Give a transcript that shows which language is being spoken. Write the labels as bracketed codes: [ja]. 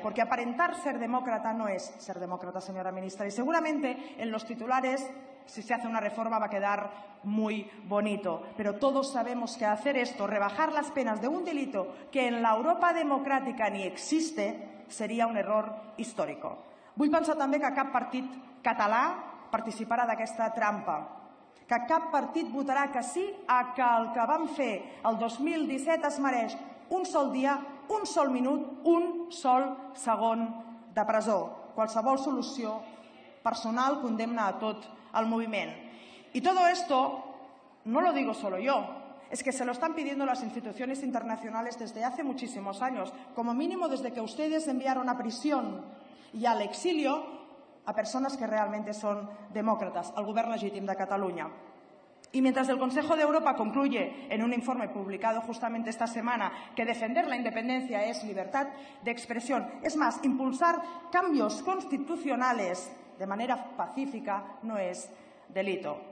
[es] Porque aparentar ser demócrata no es ser demócrata, señora ministra. Y seguramente en los titulares, si se hace una reforma, va a quedar muy bonito. Pero todos sabemos que hacer esto, rebajar las penas de un delito que en la Europa democrática ni existe, sería un error histórico. [ca] Vull pensar també que cap partit català participarà d'aquesta trampa, que cap partit votarà que sí a que el que vam fer el 2017 es mereix un sol dia, un sol minut, un sol segon de presó. Qualsevol solució personal condemna a tot el moviment. I tot això no ho dic solo jo. [es] Es que se lo están pidiendo las instituciones internacionales desde hace muchísimos años, como mínimo desde que ustedes enviaron a prisión y al exilio a personas que realmente son demócratas, al gobierno legítimo de Cataluña. Y mientras el Consejo de Europa concluye en un informe publicado justamente esta semana que defender la independencia es libertad de expresión, es más, impulsar cambios constitucionales de manera pacífica no es delito.